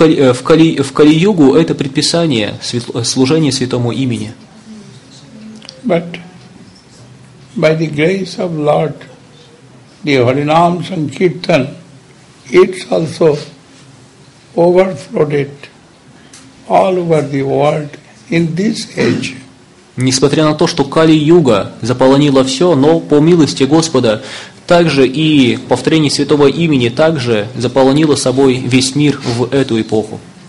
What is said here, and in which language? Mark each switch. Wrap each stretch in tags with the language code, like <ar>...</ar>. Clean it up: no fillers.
<ru>И в Кали-югу это предписание служения святому имени.</ru> <en>But by the grace of Lord, the Harinam Sankirtan, it's also overflowed all over the world. In this age.</en> <ru>Несмотря на то, что Кали-юга заполонила все, но по милости Господа, также и повторение святого имени также заполонило собой весь мир в эту эпоху.</ru>